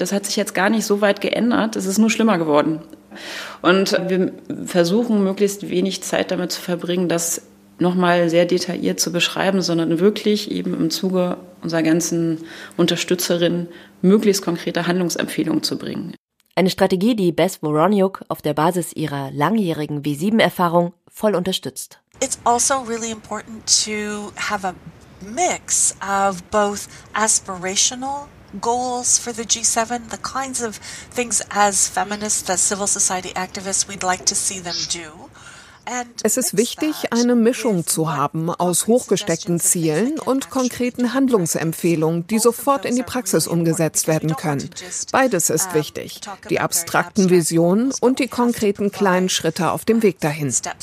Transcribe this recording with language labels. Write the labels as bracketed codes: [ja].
[de] Das hat sich jetzt gar nicht so weit geändert, es ist nur schlimmer geworden. Und wir versuchen, möglichst wenig Zeit damit zu verbringen, das nochmal sehr detailliert zu beschreiben, sondern wirklich eben im Zuge unserer ganzen Unterstützerinnen möglichst konkrete Handlungsempfehlungen zu bringen. Eine Strategie, die Beth Veroniuk auf der Basis ihrer langjährigen W7-Erfahrung voll unterstützt. [en] It's also really important to have a mix of both aspirational goals for the G7, the kinds of things as feminists, as civil society activists, we'd like to see them do. [de] Es ist wichtig, eine Mischung zu haben aus hochgesteckten Zielen und konkreten Handlungsempfehlungen, die sofort in die Praxis umgesetzt werden können. Beides ist wichtig, die abstrakten Visionen und die konkreten kleinen Schritte auf dem Weg dahin.